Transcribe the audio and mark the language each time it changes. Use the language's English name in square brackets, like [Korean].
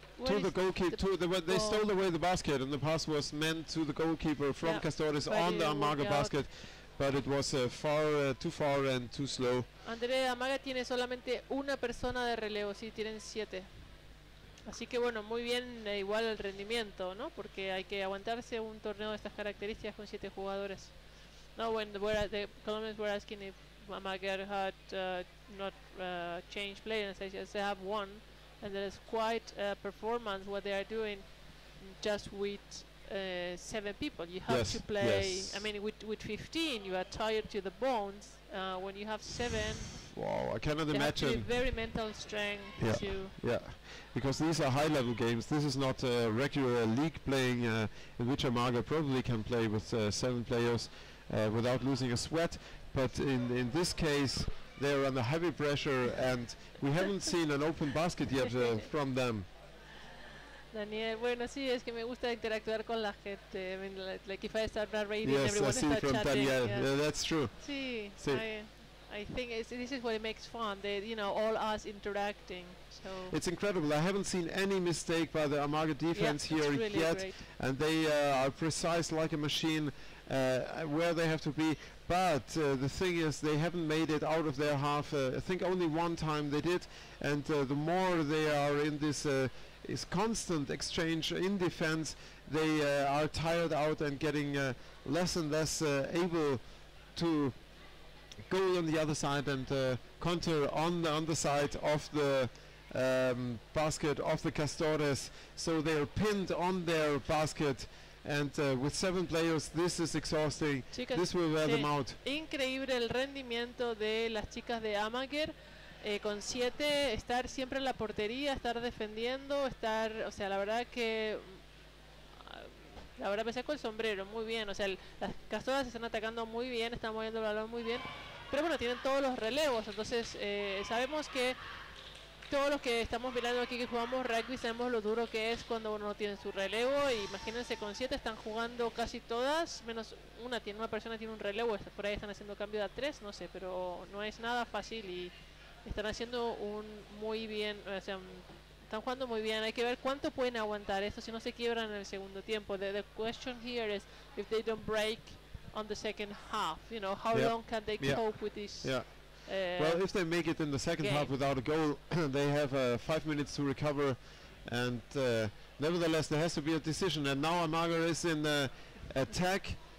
[English] To the goalkeeper, they stole away the basket, and the pass was meant to the goalkeeper from Castores on the Amaga basket. But it was too far and too slow. [Spanish] André Amaga tiene solamente una persona de relevo, sí, tienen 7. Así que bueno, muy bien, igual el rendimiento, ¿no? Porque hay que aguantarse un torneo de estas características con 7 jugadores. [English] No, when the Colombians were asking if Amaga had not changed players, they just have one, and there is quite a performance what they are doing just with 7 people. You have to play, yes. I mean, with 15, you are tired to the bones. When you have 7, wow, I cannot imagine. Very mental strength, yeah, too. Yeah, because these are high level games. This is not a regular league playing in which Amaga probably can play with 7 players without losing a sweat. But in this case, they're under heavy pressure, and we haven't seen an open basket yet from them. [Spanish] Daniel, bueno, sí, es que me gusta interactuar con la gente. [English] I mean, like if I start narrating, yes, everyone starts chatting. Yes, I see from Daniel. Yeah, that's true. [Spanish] Sí, sí. [English] I think this is what it makes fun. They, you know, all us interacting. So it's incredible. I haven't seen any mistake by the Amaga defense yeah, here really yet, great. And they are precise like a machine where they have to be. But the thing is, they haven't made it out of their half. I think only one time they did, and the more they are in this. Is constant exchange in defense, they are tired out and getting less and less able to go on the other side and counter on the underside of the basket of the Castores. So they are pinned on their basket, and with 7 players, this is exhausting. [Spanish] Chicas, [English] this will wear them out. [Spanish] Increíble el rendimiento de las chicas de Amager. Con 7, estar siempre en la portería, estar defendiendo, estar, o sea, la verdad que, la verdad me saco el sombrero, muy bien, o sea, las Castoras están atacando muy bien, están moviendo el balón muy bien, pero bueno, tienen todos los relevos, entonces sabemos que todos los que estamos mirando aquí que jugamos rugby sabemos lo duro que es cuando uno no tiene su relevo, y imagínense con 7, están jugando casi todas, menos una, tiene una persona tiene un relevo, por ahí están haciendo cambio de a 3, no sé, pero no es nada fácil y... Están haciendo un muy bien, o sea, están jugando muy bien. Hay que ver cuánto pueden aguantar esto si no se quiebran en el segundo tiempo. [English] The question here is if they don't break on the second half, you know, how long can they cope with this? Yeah. Well, if they make it in the second half without a goal, they have 5 minutes to recover. And nevertheless, there has to be a decision. And now Amager is in attack.